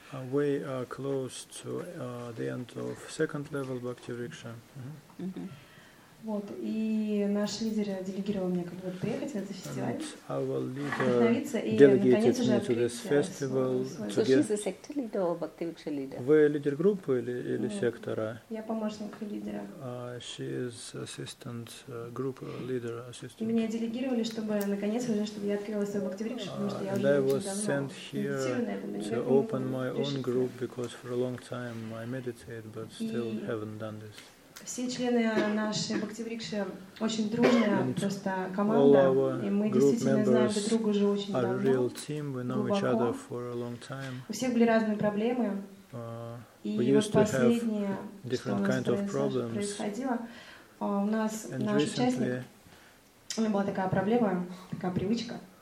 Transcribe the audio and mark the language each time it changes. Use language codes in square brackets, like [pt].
[en] Way close to the end of second level bhakti riksha. [ru] Вот и наш лидер делегировал мне как бы приехать на этот фестиваль. [en] Our leader delegated me to this festival. So she's a sector leader or bhakti riksha leader? [ru] Вы лидер группы или сектора? Я помощник лидера. [en] She is assistant group leader assistant. [ru] Меня делегировали, чтобы наконец уже, чтобы я открыла свой bhakti riksha, потому что я уже очень давно. [en] And I was sent here to open my own group because for a long time I meditate, but still haven't done this. [ru] Все члены нашей бхакти-врикши очень дружная просто команда, и мы действительно знаем друг друга уже очень давно, глубоко. У всех были разные проблемы, и вот последнее, что происходило, у нас наш участник, у него была такая проблема, такая привычка.